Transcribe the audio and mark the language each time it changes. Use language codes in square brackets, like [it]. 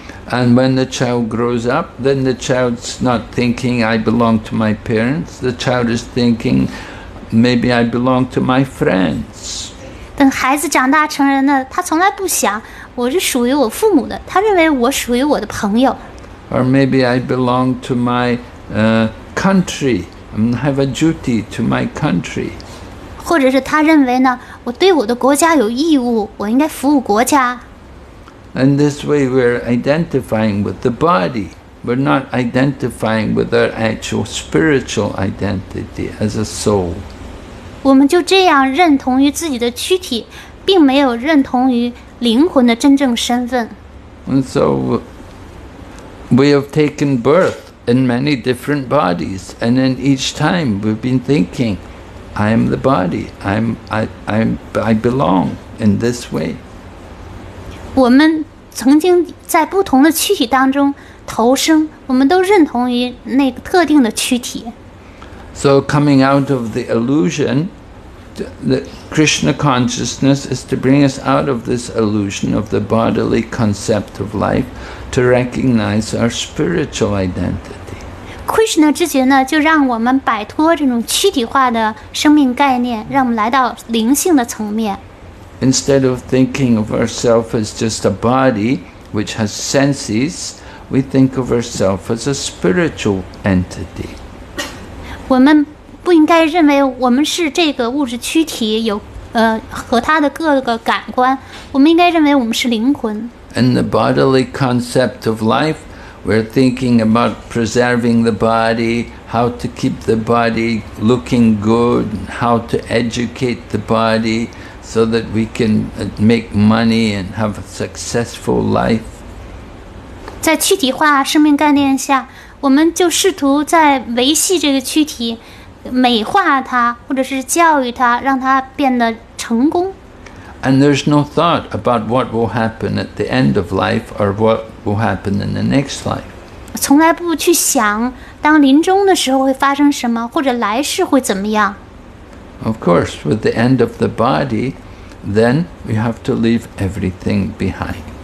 [en] And when the child grows up, then the child's not thinking I belong to my parents. The child is thinking. Maybe I belong to my friends. [zh] 等孩子长大成人了，他从来不想我是属于我父母的，他认为我属于我的朋友。 [en] Or maybe I belong to my country, have a duty to my country. [zh] 或者是他认为呢，我对我的国家有义务，我应该服务国家。 [en] In this way, we're identifying with the body. We're not identifying with our actual spiritual identity as a soul. [zh] 我们就这样认同于自己的躯体，并没有认同于灵魂的真正身份。 [en] And so, we have taken birth in many different bodies, and then each time we've been thinking, I am the body, I belong in this way. [zh] 我们曾经在不同的躯体当中投生，我们都认同于那个特定的躯体。 [en] So coming out of the illusion, the Krishna consciousness is to bring us out of this illusion of the bodily concept of life to recognize our spiritual identity. [zh] Krishna 之觉呢，就让我们摆脱这种躯体化的生命概念，让我们来到灵性的层面。 [en] Instead of thinking of ourselves as just a body which has senses, we think of ourselves as a spiritual entity. [zh] 我们不应该认为我们是这个物质躯体有和它的各个感官，我们应该认为我们是灵魂。 [en] In the bodily concept of life, we're thinking about preserving the body, how to keep the body looking good, how to educate the body so that we can make money and have a successful life. [zh] 在躯体化生命概念下，我们就试图在维系这个躯体，美化它，或者是教育它，让它变得成功。 [en] And there's no thought about what will happen at the end of life or what will happen in the next life. [zh] 从来不去想当临终的时候会发生什么，或者来世会怎么样。 [en] Of course, with the end of the body, then we have to leave everything behind.